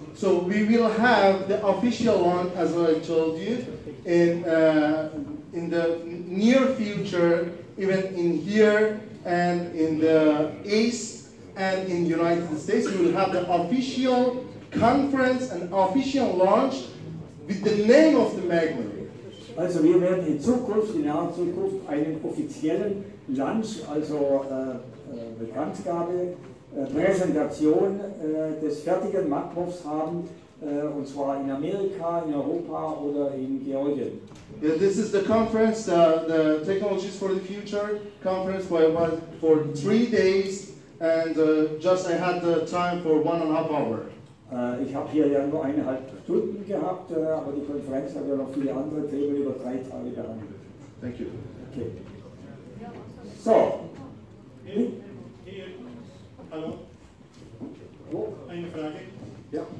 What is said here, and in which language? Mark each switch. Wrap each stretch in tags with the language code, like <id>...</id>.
<en>So we will have the official one, as I told you, in the near future, even in here and in the East and in United States, we will have the official conference and official launch with the name of the Magmov.</en> <de>Also wir werden in Zukunft, in naher Zukunft, einen offiziellen Lunch, also Bekanntgabe, Präsentation des fertigen Magmovs haben, und zwar in Amerika, in Europa oder in Georgien.</de> <en>Yeah, this is the conference, the Technologies for the Future conference, where I was for 3 days, and just I had the time for 1.5 hours.</en> <de>Ich habe hier ja nur 1,5 Stunden gehabt, aber die Konferenz hat ja noch viele andere Themen über 3 Tage behandelt.</de> <en>Thank you. Okay. So.</en> <de>Hallo. Oh. Eine Frage. Ja.</de>